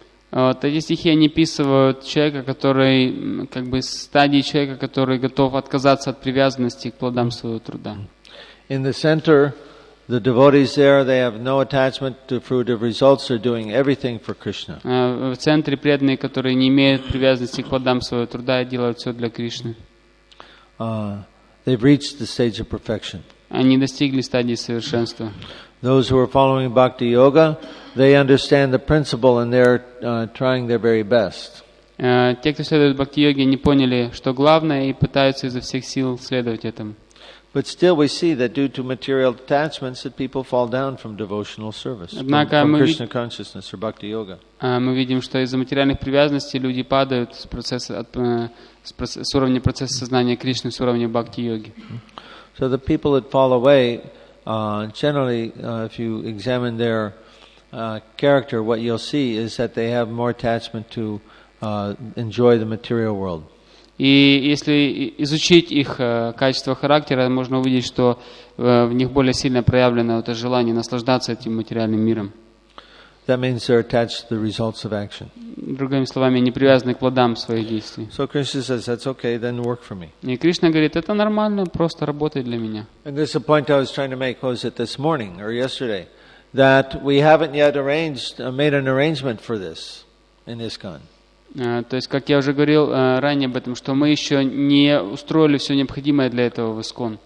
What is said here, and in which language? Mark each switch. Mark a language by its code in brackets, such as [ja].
[ru] Вот эти стихи они описывают человека, который как бы стадии человека, который готов отказаться от привязанности к плодам своего труда. [en] In the center, the devotees there, they have no attachment to fruitive results. They're doing everything for Krishna. [ru] В центре преданные, которые не имеют привязанности к плодам своего труда, делают все для Кришны. [en] They've reached the stage of perfection. [ru] Они достигли стадии совершенства. [en] Those who are following bhakti yoga, they understand the principle and they're trying their very best. [ru] Те, кто следует бхакти йоге, не поняли, что главное, и пытаются изо всех сил следовать этому. [en] But still we see that due to material attachments that people fall down from devotional service, from Krishna consciousness or bhakti yoga. [ru] Мы видим, что из-за материальных привязанностей люди падают с уровня процесса сознания Кришны, с уровня бхакти йоги. [en] So the people that fall away, generally, if you examine their character, what you'll see is that they have more attachment to enjoy the material world. [ru] И если изучить их качество характера, можно увидеть, что в них более сильно проявлено это желание наслаждаться этим материальным миром. [en] That means they're attached to the results of action. [ru] Другими словами, не привязаны к плодам своих действий. [en] So Krishna says, that's okay, then work for me. [ru] И Кришна говорит, это нормально, просто работай для меня. [en] And this is a point I was trying to make, was it this morning or yesterday, that we haven't yet made an arrangement for this in ISKCON. [ru] То есть, как я уже говорил ранее об этом, что мы еще не устроили все необходимое для этого в ISKCON.